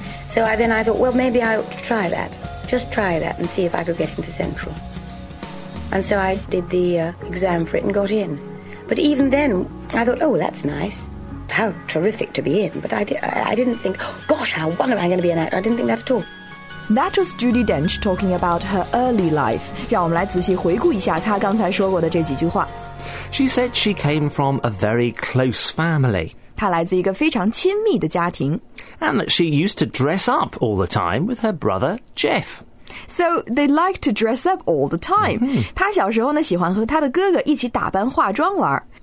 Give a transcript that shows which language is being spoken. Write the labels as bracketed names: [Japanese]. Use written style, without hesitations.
[English] So I thought, well, maybe I ought to try that. Just try that and see if I could get into Central. And so I did the exam for it and got in. But even then, I thought, oh, that's nice. How terrific to be in. But I didn't think, oh, gosh, how wonder am I going to be an actor? I didn't think that at all. That was Judi Dench talking about her early life. [Chinese] 让我们来仔细回顾一下她刚才说过的这几句话。 [English] She said she came from a very close family. [Chinese] 她来自一个非常亲密的家庭。 [English] And that she used to dress up all the time with her brother Jeff. So they like to dress up all the time. [Chinese] 她小时候呢喜欢和她的哥哥一起打扮化妆玩。